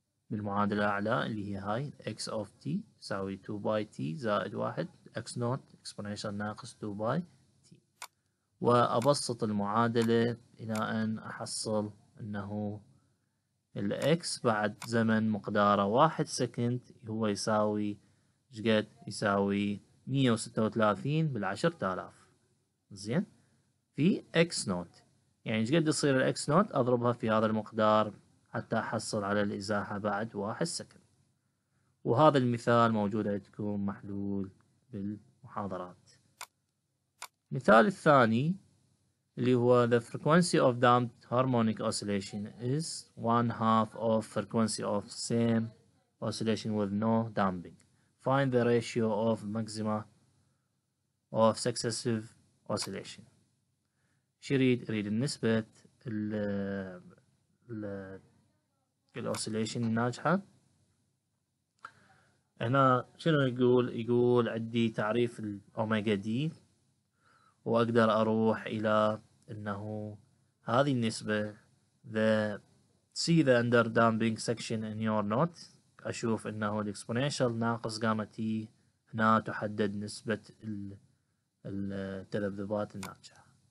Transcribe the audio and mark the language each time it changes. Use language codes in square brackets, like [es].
[ar] بالمعادلة الأعلى اللي هي هاي X of T تساوي 2 باي T زائد 1 X نوت exponential ناقص 2 باي T، وأبسط المعادلة إلى أن أحصل أنه ال x بعد زمن مقداره 1 سكند هو يساوي شقد؟ يساوي 136 بالعشرة آلاف. زين، في x نوت، يعني شقد يصير ال x نوت؟ اضربها في هذا المقدار حتى احصل على الازاحة بعد 1 سكند. وهذا المثال موجود عندكم محلول بالمحاضرات. المثال الثاني اللي هو [en] the frequency of damped harmonic oscillation is 1/2 of frequency of same oscillation with no damping. Find the ratio of maxima of successive oscillation. [ar] شريد اريد النسبة ال oscillation الناجحة. هنا شنو يقول؟ يقول عندي تعريف الأوميجا دي، وأقدر أروح إلى انه هذه النسبة [en] see the under damping section in your note، [ar] اشوف انه الـ exponential ناقص جاما t هنا تحدد نسبة التذبذبات الناجحة.